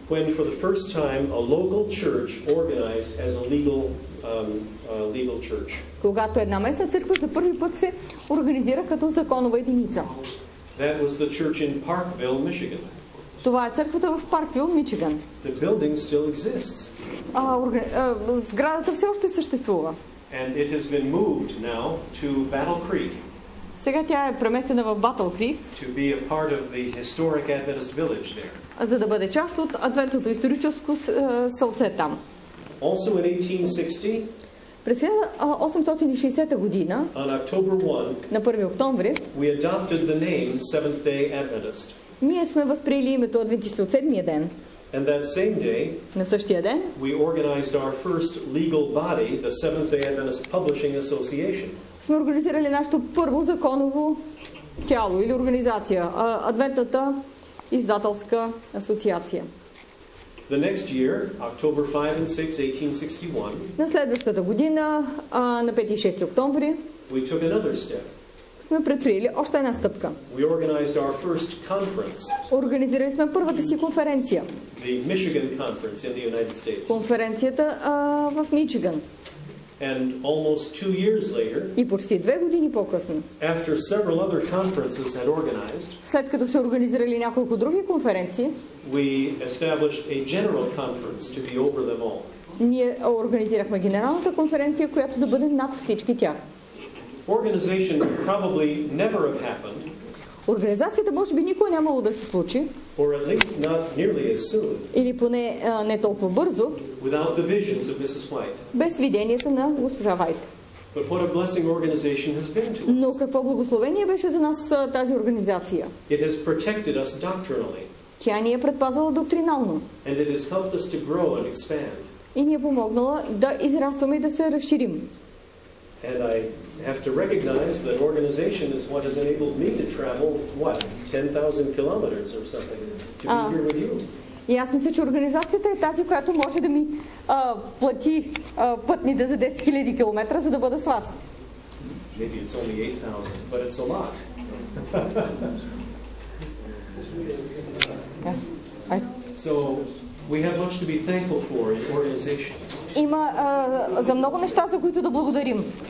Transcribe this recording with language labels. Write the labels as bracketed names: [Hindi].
[English] when for the first time a local church organized as a legal, legal church. [Bulgarian] Когато една местна църква за първи път се организира като законова единица. [English] That was the church in Parkville, Michigan. [Bulgarian] Това е църквата в Парквил, Мичиган. [English] The building still exists. [Bulgarian] Сградата все още съществува. [English] And it has been moved now to Battle Creek. [Bulgarian] Сега тя е преместена в Battle Creek. [English] To be a part of the historic Adventist village there. [Bulgarian] За да бъде част от адвентното историческо селце там. [English] Also in 1860. [Bulgarian] През 1860 година, [English] on October 1, [Bulgarian] на 1 октомври, [English] we adopted the name Seventh-day Adventist. [Bulgarian] Ние сме възприели името адвентисти от седмия ден. [English] And that same day, [Bulgarian] на същия ден, [English] we organized our first legal body, the Seventh-day Adventist Publishing Association. [Bulgarian] Сме организирали нашето първо законово тяло или организация, адвентната издателска асоциация. [English] The next year, October 5 and 6, 1861, [Bulgarian] на следващата година, на 5 и 6 октомври, [English] we took another step. [Bulgarian] Сме предприели още една стъпка. [English] We organized our first conference. [Bulgarian] Организирали сме първата си конференция. [English] The Michigan Conference in the United States. [Bulgarian] Конференцията в Мичиган. [English] And almost 2 years later, [Bulgarian] и почти 2 години по-късно, [English] after several other conferences had organized, [Bulgarian] след като са организирали няколко други конференции, [English] we established a general conference to be over them all. [Bulgarian] Ние организирахме генералната конференция, която да бъде над всички тях. [English] Organization probably never have happened. [Bulgarian] Организацията може би никога нямало да се случи. [English] Or at least not nearly as soon. [Bulgarian] Или поне не толкова бързо. [English] Without the visions of Mrs. White. [Bulgarian] Без виденията на госпожа Вайт. [English] But what a blessing organization has been to us. [Bulgarian] Но какво благословение беше за нас тази организация. [English] It has protected us doctrinally. [Bulgarian] Тя ни е предпазвала доктринално. [English] And it has helped us to grow and expand. [Bulgarian] И ни е помогнала да израстваме и да се разширим. [English] And I have to recognize that organization is what has enabled me to travel, what, 10,000 kilometers or something, to be here with you. [Bulgarian] И аз мисля, че организацията е тази, която може да ми плати пътните за 10 000 километра, за да бъда с вас. [English] Maybe it's only 8,000, but it's a lot. So, we have much to be thankful for in organization. [Bulgarian] Има за много неща, за които да благодарим.